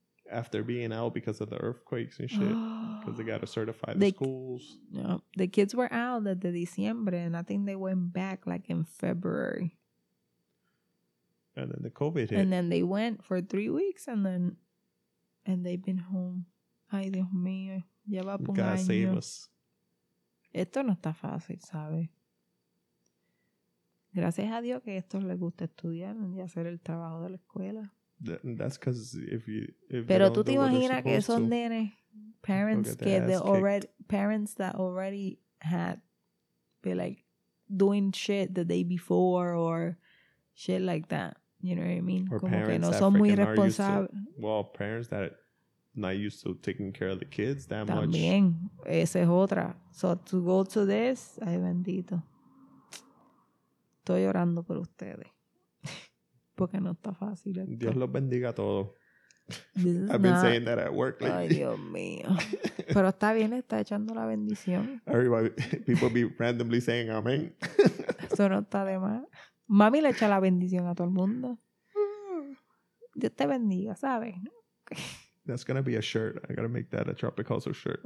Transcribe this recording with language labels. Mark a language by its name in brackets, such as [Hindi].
[English] After being out because of the earthquakes and shit. Because they got to certify the schools. No, the kids were out at the December, and I think they went back like in February. And then the COVID hit. And then they went for 3 weeks, and they've been home. [Spanish] Ay, Dios mío. Lleva un año. [English] God save us. [Spanish] Esto no está fácil, ¿sabes? Gracias a Dios que estos les gusta estudiar y hacer el trabajo de la escuela. [English] That's because [Spanish] pero tú te imaginas que son nenes, [English] parents que already parents that already had be like doing shit the day before or shit like that. You know what I mean? [Spanish] Or como que no son muy responsables. [English] Parents that are not used to taking care of the kids that [Spanish] también, [English] much. [Spanish] También, esa es otra. [English] So to go to this, [Spanish] ay bendito. Estoy llorando por ustedes. Porque no está fácil. Dios los bendiga a todos. [English] I've been saying that at work. [Spanish] Like, ay, Dios mío. Pero está bien, está echando la bendición. [English] Everybody, people be randomly saying amén. [Spanish] Eso no está de más. Mami le echa la bendición a todo el mundo. Dios te bendiga, ¿sabes? [English] That's going to be a shirt. I got to make that a Tropicalso shirt.